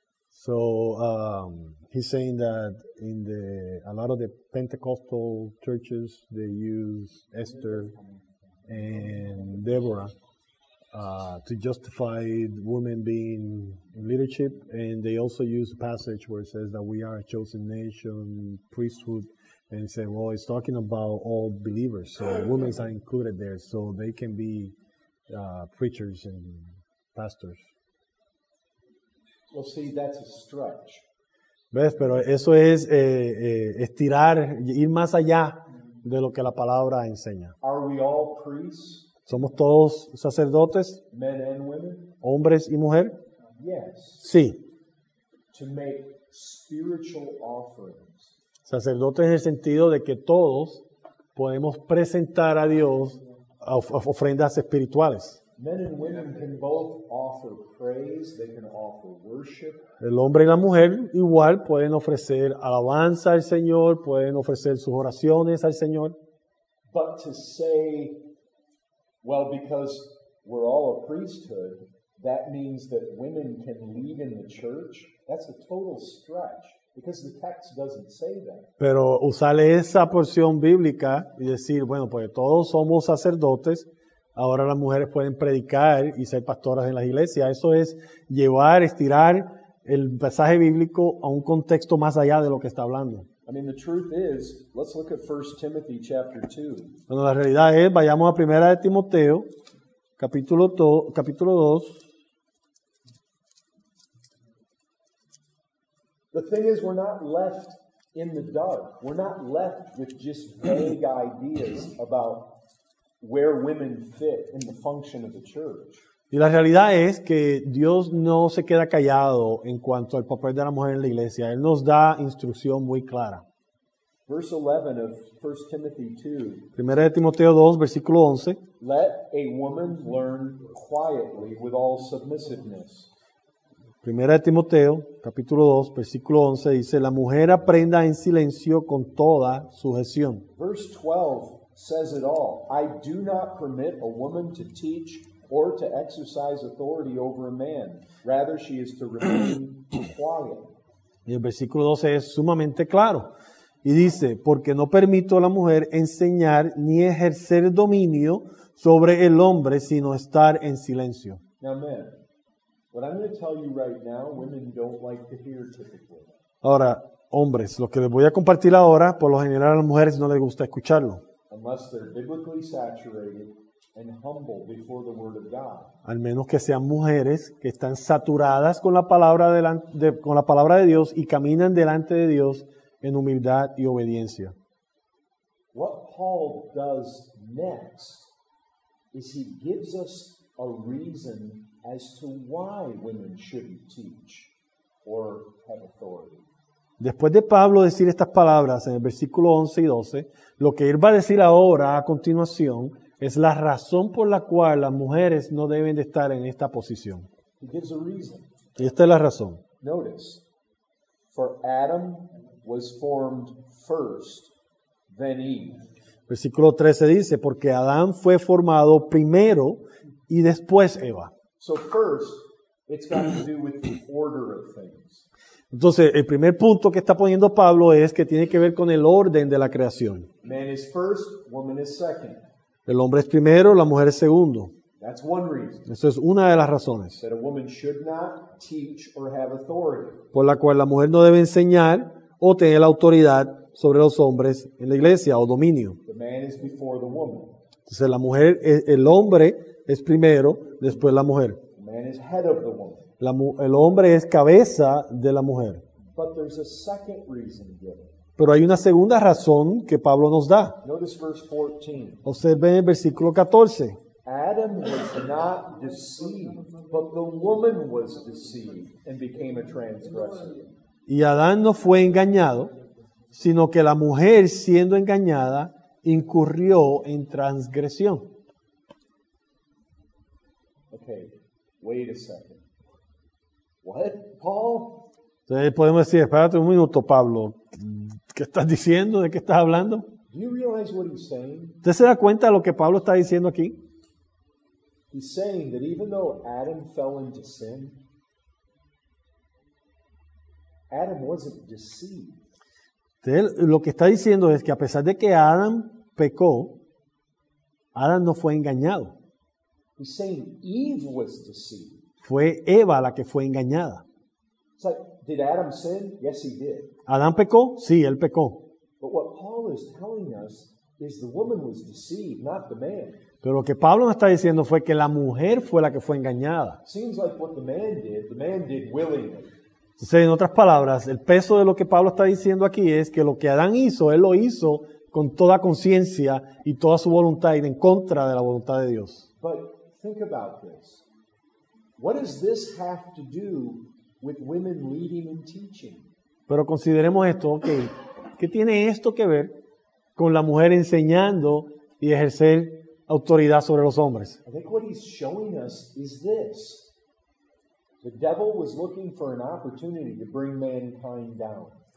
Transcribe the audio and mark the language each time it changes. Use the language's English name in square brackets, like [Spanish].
[English] So he's saying that in a lot of the Pentecostal churches they use Esther and Deborah to justify women being in leadership, and they also use a passage where it says that we are a chosen nation, priesthood, and say, well, it's talking about all believers, so women are included there, so they can be preachers and pastors. Well, see, that's a stretch. [Spanish] ¿Ves? Pero eso es estirar, ir más allá de lo que la palabra enseña. [English] Are we all priests? [Spanish] ¿Somos todos sacerdotes? [English] Men and women? [Spanish] ¿Hombres y mujer? [English] Yes. [Spanish] Sí. [English] To make spiritual offerings. [Spanish] Sacerdotes en el sentido de que todos podemos presentar a Dios ofrendas espirituales. [English] Men and women can both offer praise, they can offer worship. [Spanish] El hombre y la mujer igual pueden ofrecer alabanza al Señor, pueden ofrecer sus oraciones al Señor. [English] But to say, well, because we're all a priesthood, that means that women can lead in the church, that's a total stretch. Because the text doesn't say that. [Spanish] Pero usar esa porción bíblica y decir, bueno, pues todos somos sacerdotes, ahora las mujeres pueden predicar y ser pastoras en las iglesias. Eso es llevar, estirar el pasaje bíblico a un contexto más allá de lo que está hablando. [English] I mean, the truth is, let's look at 1 Timothy chapter 2. [Spanish] Bueno, la realidad es, vayamos a 1 de Timoteo, capítulo 2. [English] The thing is, we're not left in the dark. We're not left with just vague ideas about where women fit in the function of the church. [Spanish] Y la realidad es que Dios no se queda callado en cuanto al papel de la mujer en la iglesia. Él nos da instrucción muy clara. [English] Verse 11 of 1 Timothy 2. [Spanish] Primera de Timoteo 2, versículo 11. [English] Let a woman learn quietly with all submissiveness. [Spanish] Primera de Timoteo, capítulo 2, versículo 11, dice, la mujer aprenda en silencio con toda sujeción. [English] Verse 12 says it all. I do not permit a woman to teach or to exercise authority over a man. Rather, she is to remain quiet. [Spanish] Y el versículo 12 es sumamente claro. Y dice, porque no permito a la mujer enseñar ni ejercer dominio sobre el hombre, sino estar en silencio. Amén. [English] What I'm going to tell you right now, women don't like to hear typically. [Spanish] Ahora, hombres, lo que les voy a compartir ahora, por lo general a las mujeres no les gusta escucharlo. [English] Unless they're biblically saturated and humble before the word of God. [Spanish] Al menos que sean mujeres que están saturadas con la palabra de Dios y caminan delante de Dios en humildad y obediencia. [English] What Paul does next is he gives us a reason as to why women shouldn't teach or have authority. [Spanish] Después de Pablo decir estas palabras en el versículo 11 y 12, lo que él va a decir ahora a continuación es la razón por la cual las mujeres no deben de estar en esta posición. [English] He gives a reason. [Spanish] Y esta es la razón. [English] Notice, for Adam was formed first, then Eve. [Spanish] Versículo 13 dice, porque Adán fue formado primero y después Eva. [English] So first, it's got to do with the order of things. [Spanish] Entonces, el primer punto que está poniendo Pablo es que tiene que ver con el orden de la creación. [English] Man is first, woman is second. [Spanish] El hombre es primero, la mujer es segundo. [English] That's one reason. [Spanish] Eso es una de las razones. [English] That a woman should not teach or have authority. [Spanish] Por la cual la mujer no debe enseñar o tener la autoridad sobre los hombres en la iglesia o dominio. [English] The man is before the woman. [Spanish] Entonces, la mujer, el hombre es primero, después la mujer. [English] Man is head of the woman. [Spanish] El hombre es cabeza de la mujer. [English] But there's a second reason given. [Spanish] Pero hay una segunda razón que Pablo nos da. [English] Notice verse 14. [Spanish] Observen el versículo 14. [English] Adam was not deceived, but the woman was deceived and became a transgressor. [Spanish] Y Adán no fue engañado, sino que la mujer, siendo engañada, incurrió en transgresión. [English] Okay, wait a second. What, Paul? [Spanish] Entonces podemos decir, espérate un minuto, Pablo. ¿Qué estás diciendo? ¿De qué estás hablando? [English] Do you realize what he's saying? [Spanish] ¿Usted se da cuenta de lo que Pablo está diciendo aquí? [English] He's saying that even though Adam fell into sin, Adam wasn't deceived. [Spanish] Entonces, lo que está diciendo es que a pesar de que Adam pecó, Adam no fue engañado. [English] He's saying Eve was deceived. [Spanish] Fue Eva la que fue engañada. [English] It's like, did Adam sin? Yes, he did. [Spanish] ¿Adán pecó? Sí, él pecó. [English] But what Paul is telling us is the woman was deceived, not the man. [Spanish] Pero lo que Pablo nos está diciendo fue que la mujer fue la que fue engañada. [English] Seems like what the man did willingly. [Spanish] Entonces, en otras palabras, el peso de lo que Pablo está diciendo aquí es que lo que Adán hizo, él lo hizo con toda conciencia y toda su voluntad, ir en contra de la voluntad de Dios. [English] But think about this. What does this have to do with women leading and teaching? [Spanish] Pero consideremos esto, okay. ¿Qué tiene esto que ver con la mujer enseñando y ejercer autoridad sobre los hombres? [English] I think what he's showing us is this. The devil was looking for an opportunity to bring mankind down.